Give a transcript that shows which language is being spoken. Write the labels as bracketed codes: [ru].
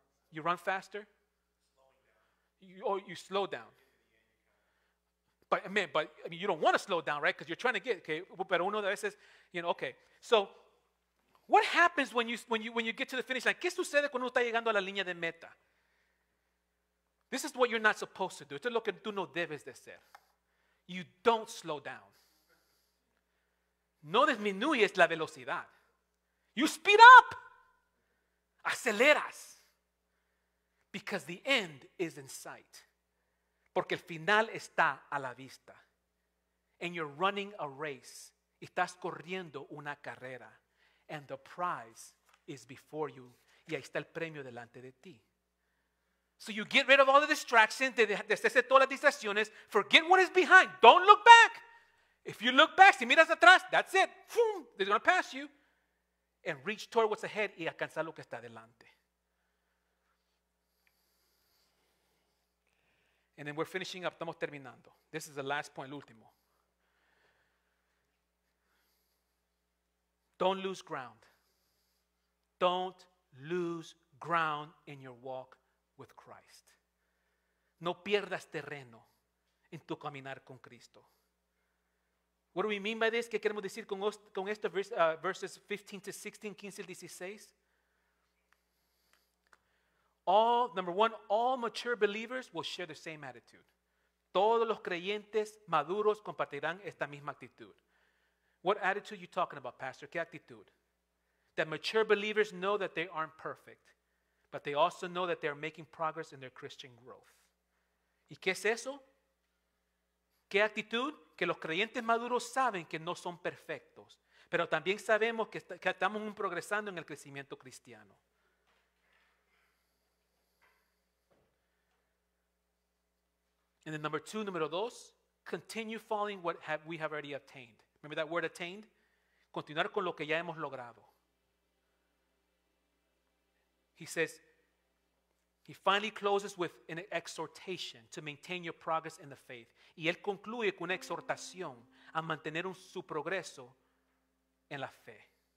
[en] You run faster? You slow down. But you don't want to slow down, right? Because you're trying to get, okay, but [es] uno de veces, [en] you know, okay. So what happens when you get to the finish line? [es] ¿Qué sucede cuando está llegando a la línea de meta? [en] This is what you're not supposed to do. [es] Esto es lo que tú no debes de hacer. [en] You don't slow down. [es] No disminuyes la velocidad. [en] You speed up. [es] Aceleras. [en] Because the end is in sight. [es] Porque el final está a la vista. [en] And you're running a race. [es] Estás corriendo una carrera. [en] And the prize is before you. [es] Y ahí está el premio delante de ti. [en] So you get rid of all the distractions, [es] deshace todas las distracciones, [en] forget what is behind. Don't look back. If you look back, [es] si miras atrás, [en] that's it. Boom, they're going to pass you. And reach toward what's ahead [es] y alcanzar lo que está adelante. [en] And then we're finishing up. [es] Estamos terminando. [en] This is the last point, [es] el último. [en] Don't lose ground. Don't lose ground in your walk with Christ. [es] No pierdas terreno en tu caminar con Cristo. [en] What do we mean by this? [es] ¿Qué queremos decir con esto? [en] Verses 15 to 16, 15 to 16. Number one, all mature believers will share the same attitude. [es] Todos los creyentes maduros compartirán esta misma actitud. [en] What attitude are you talking about, Pastor? [es] ¿Qué actitud? [en] That mature believers know that they aren't perfect, but they also know that they are making progress in their Christian growth. [es] ¿Y qué es eso? ¿Qué actitud? Que los creyentes maduros saben que no son perfectos, pero también sabemos que estamos progresando en el crecimiento cristiano. [en] And then number two, continue following what we have already attained. Remember that word attained? [es] Continuar con lo que ya hemos logrado. [en] He says, he finally closes with an exhortation to maintain your progress in the faith. [es] Y él concluye con una exhortación a mantener su progreso en la fe.